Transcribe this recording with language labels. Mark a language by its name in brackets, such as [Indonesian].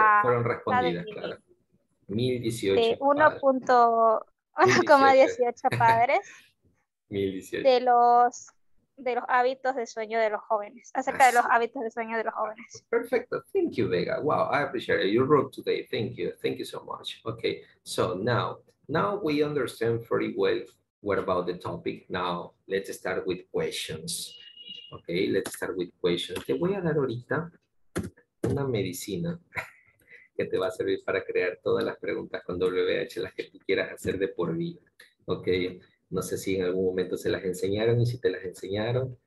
[Spanish] fueron respondidas, de, claro. 1018 de 1,18 padres. 1018. De los hábitos de sueño de los jóvenes. Acerca así. De los hábitos de sueño de los jóvenes. [English] Perfecto. Thank you, Vega. Wow, I appreciate it. You wrote today. Thank you. Thank you so much. Okay, so now we understand very well what about the topic. Now, let's start with questions. Okay, let's start with questions. [Spanish] Te voy a dar ahorita una medicina que te va a servir para crear todas las preguntas con WH, las que tú quieras hacer de por vida. Okay, no sé si en algún momento se las enseñaron y si te las enseñaron.